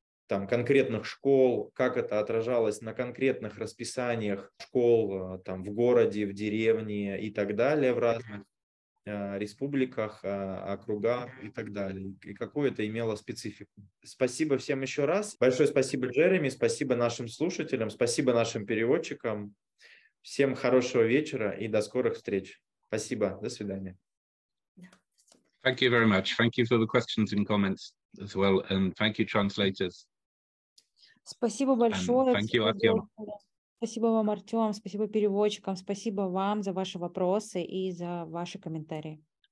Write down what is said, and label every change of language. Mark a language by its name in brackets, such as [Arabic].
[Russian] там конкретных школ, как это отражалось на конкретных расписаниях школ там в городе, в деревне и так далее, в разных республиках, округах и так далее, и какую это имело специфику. Спасибо всем еще раз. Большое спасибо Джереми, спасибо нашим слушателям, спасибо нашим переводчикам. Всем хорошего вечера и до скорых встреч. Спасибо, до свидания. [English] Thank you very much. Thank you for the questions and comments as well, and thank you translators. [Russian] Спасибо большое. [English] Thank you, Артём. [Russian] Спасибо вам, Артём. Спасибо переводчикам. Спасибо вам за ваши вопросы и за ваши комментарии.